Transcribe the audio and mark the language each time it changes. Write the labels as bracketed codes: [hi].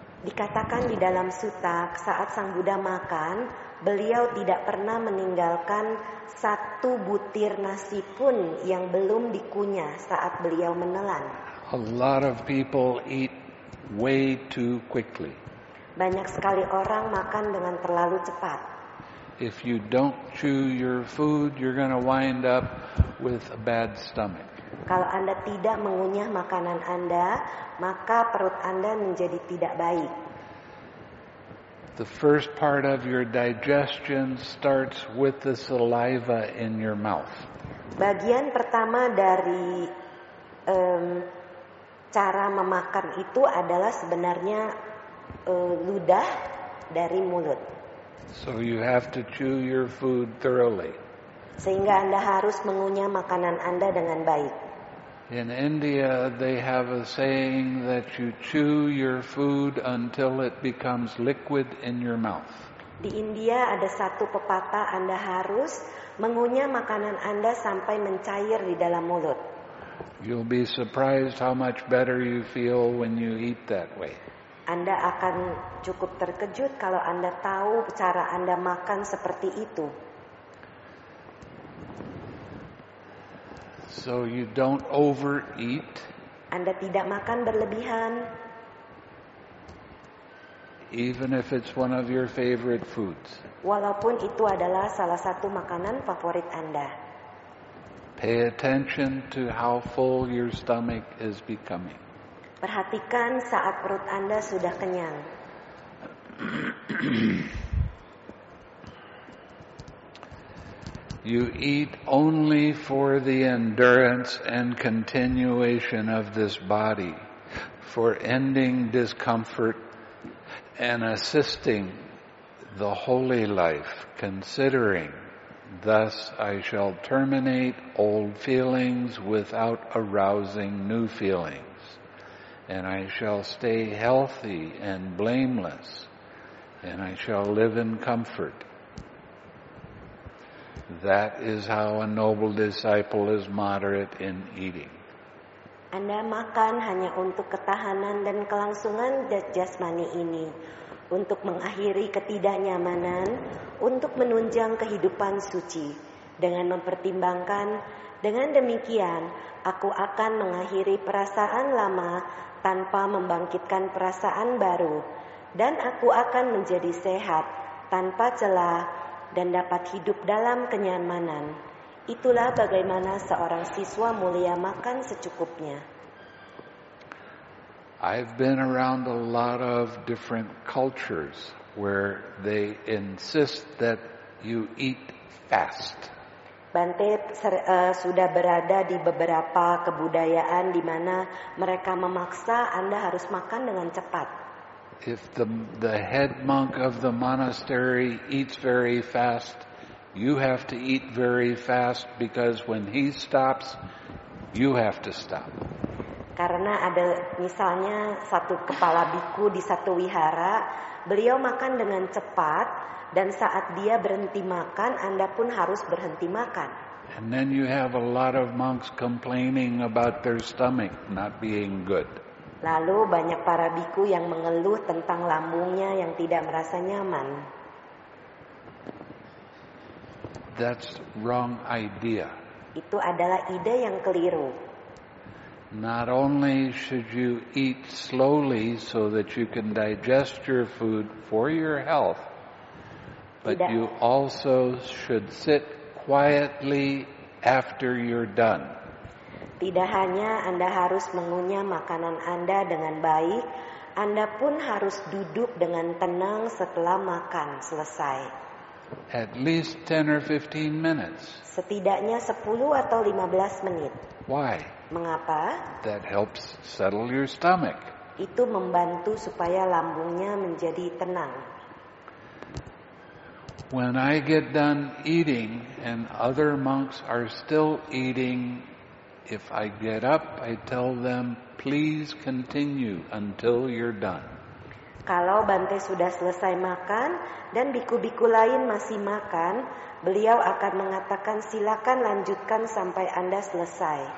[id] Dikatakan di dalam sutta, saat Sang Buddha makan, beliau tidak pernah meninggalkan satu butir nasi pun yang belum dikunyah saat beliau menelan. [en] A lot of people eat way too quickly. [id] Banyak sekali orang makan dengan terlalu cepat. [en] If you don't chew your food, you're going to wind up with a bad stomach. [id] Kalau Anda tidak mengunyah makanan Anda, maka perut Anda menjadi tidak baik. [en] The first part of your digestion starts with the saliva in your mouth. [id] Bagian pertama dari cara memakan itu adalah sebenarnya ludah dari mulut. [en] So you have to chew your food thoroughly. [id] Sehingga Anda harus mengunyah makanan Anda dengan baik. [en] In India, they have a saying that you chew your food until it becomes liquid in your mouth. [id] Di India ada satu pepatah, Anda harus mengunyah makanan Anda sampai mencair di dalam mulut. [en] You'll be surprised how much better you feel when you eat that way. [id] Anda akan cukup terkejut kalau Anda tahu cara Anda makan seperti itu. [en] So you don't overeat. [id] Anda tidak makan berlebihan. [en] Even if it's one of your favorite foods. [id] Walaupun itu adalah salah satu makanan favorit Anda. [en] Pay attention to how full your stomach is becoming. [id] Perhatikan saat perut Anda sudah kenyang. [en] You eat only for the endurance and continuation of this body, for ending discomfort and assisting the holy life, considering, thus I shall terminate old feelings without arousing new feelings, and I shall stay healthy and blameless, and I shall live in comfort. That is how a noble disciple is moderate in eating. [id] Anda makan hanya untuk ketahanan dan kelangsungan jasmani ini, untuk mengakhiri ketidaknyamanan, untuk menunjang kehidupan suci, dengan mempertimbangkan, dengan demikian, aku akan mengakhiri perasaan lama tanpa membangkitkan perasaan baru, dan aku akan menjadi sehat tanpa celah, dan dapat hidup dalam kenyamanan. Itulah bagaimana seorang siswa mulia makan secukupnya. [en] I've been around a lot of different cultures where they insist that you eat fast. [id] Bante sudah berada di beberapa kebudayaan di mana mereka memaksa Anda harus makan dengan cepat. [en] If the head monk of the monastery eats very fast, you have to eat very fast because when he stops, you have to stop. [id] Karena ada misalnya satu kepala biku di satu wihara, beliau makan dengan cepat dan saat dia berhenti makan, Anda pun harus berhenti makan. [en] And then you have a lot of monks complaining about their stomach not being good. [id] Lalu banyak para biku yang mengeluh tentang lambungnya yang tidak merasa nyaman. [en] That's wrong idea. [id] Itu adalah ide yang keliru. [en] Not only should you eat slowly so that you can digest your food for your health, but [id] tidak. [en] You also should sit quietly after you're done. [id] Tidak hanya Anda harus mengunyah makanan Anda dengan baik, Anda pun harus duduk dengan tenang setelah makan selesai. [en] At least 10 or 15 minutes. [id] Setidaknya 10 atau 15 menit. [en] Why? [id] Mengapa? [en] That helps settle your stomach. [id] Itu membantu supaya lambungnya menjadi tenang. [en] when I get done eating and other monks are still eating, if I get up, I tell them, please continue until you're done. [id] Kalau Bante sudah selesai makan dan biku-biku lain masih makan, beliau akan mengatakan silakan lanjutkan sampai Anda selesai.